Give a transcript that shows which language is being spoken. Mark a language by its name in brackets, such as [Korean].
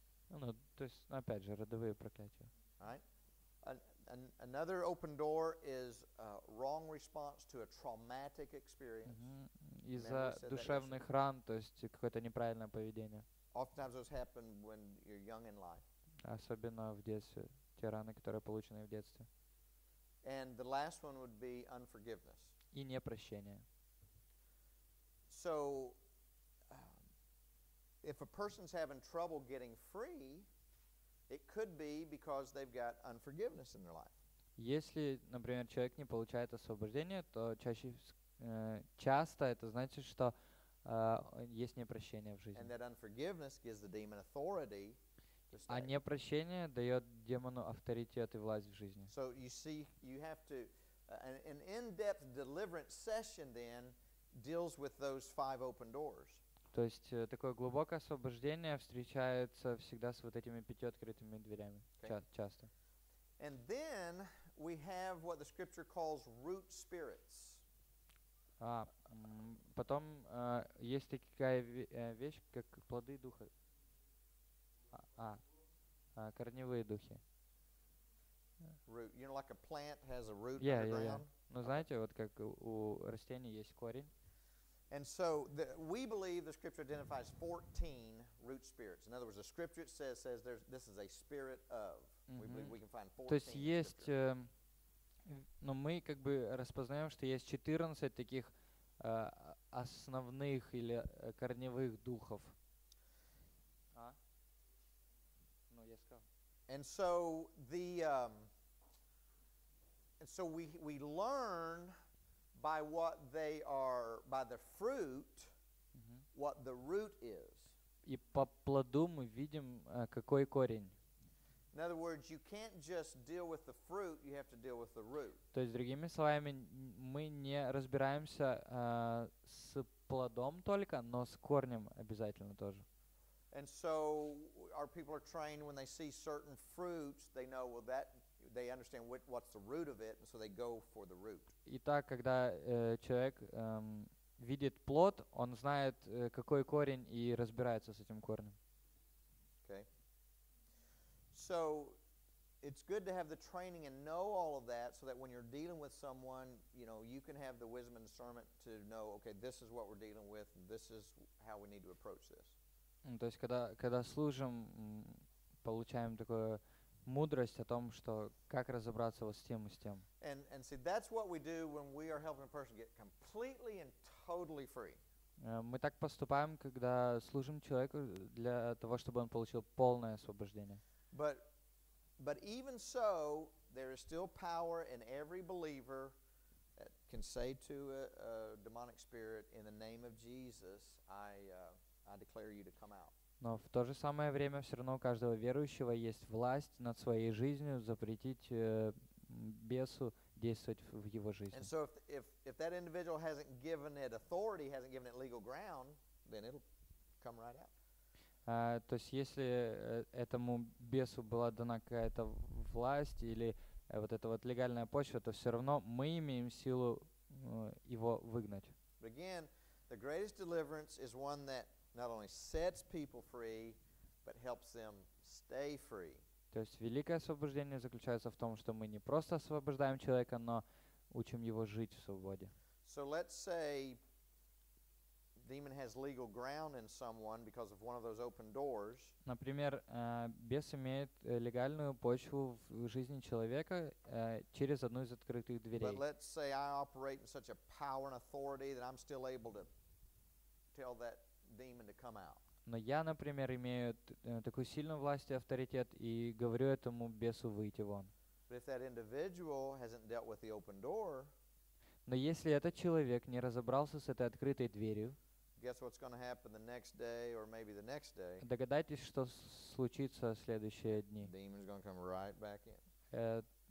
[Russian] Ну, то есть, опять же, родовые проклятия. [English] Right. Another open door is a wrong response to a traumatic experience. [Russian] Из-за душевных ран, то есть какое-то неправильное поведение. [English] Oftentimes those happen when you're young in life. [Russian] Особенно в детстве, те раны, которые получены в детстве. [English] And the last one would be unforgiveness. [Russian] И непрощение. [English] So, if a person's having trouble getting free, it could be because they've got unforgiveness in their life. [Russian] Если, например, человек не получает освобождение, то чаще, часто это значит, что есть непрощение в жизни. [English] And that unforgiveness gives the demon authority. [Russian] А непрощение дает демону авторитет и власть в жизни. [English] So you see, you have to an in-depth deliverance session then deals with those five open doors. [Russian] То есть такое глубокое освобождение встречается всегда с вот этими пятью открытыми дверями. Okay. Часто. [English] And then we have what the scripture calls root spirits. [Russian] А потом есть такая вещь, как плоды духа. Корневые духи. [English] Root. You know, like a plant has a root underground. Yeah. [Russian] Ну, знаете, вот как у растений есть корень. [English] And so we believe the scripture identifies 14 root spirits. In other words, the scripture says there's this is a spirit of. Mm-hmm. We believe we can find 14. [Russian] То есть есть, но мы как бы распознаем, что есть 14 таких основных или корневых духов. [English] And so the and so we learn by what they are by the fruit what the root is. [Russian] И по плоду мы видим какой корень. [English] In other words, you can't just deal with the fruit, you have to deal with the root. [Russian] То есть другими словами, мы не разбираемся с плодом только, но с корнем обязательно тоже. [English] And so our people are trained when they see certain fruits, they know well that they understand what's the root of it, and so they go for the root. [Russian] Итак, когда человек видит плод, он знает какой корень и разбирается с этим корнем. [English] Okay. So it's good to have the training and know all of that, so that when you're dealing with someone, you know, you can have the wisdom and discernment to know, okay, this is what we're dealing with, and this is how we need to approach this. [Russian] То есть, когда служим, получаем такую мудрость о том, что как разобраться вот с тем и с тем. [English] And see, that's what we do when we are helping a person get completely and totally free. [Russian] Мы так поступаем, когда служим человеку для того, чтобы он получил полное освобождение. [English] But even so, there is still power in every believer that can say to a demonic spirit, in the name of Jesus, I declare you to come out. [Russian] Но в то же самое время все равно у каждого верующего есть власть над своей жизнью запретить бесу действовать в его жизни. [English] And so if that individual hasn't given it authority, hasn't given it legal ground, then it'll come right out. [Russian] То есть если этому бесу была дана какая-то власть или вот эта вот легальная почва, то все равно мы имеем силу его выгнать. [English] But again, the greatest deliverance is one that not only sets people free, but helps them stay free. [Russian] То есть великое освобождение заключается в том, что мы не просто освобождаем человека, но учим его жить в свободе. [English] So let's say demon has legal ground in someone because of one of those open doors. [Russian] Например, бес имеет легальную почву в жизни человека через одну из открытых дверей. [English] But let's say I operate in such a power and authority that I'm still able to tell that demon to come out. [Russian] Но я, например, имею такую сильную власть и авторитет и говорю этому бесу выйти вон. [English] But if that individual hasn't dealt with the open door, [Russian] но если этот человек не разобрался с этой открытой дверью, [English] guess what's going to happen the next day or maybe the next day? [Russian] Догадайтесь, что случится в следующие дни. [English] The demon's going to come right back in.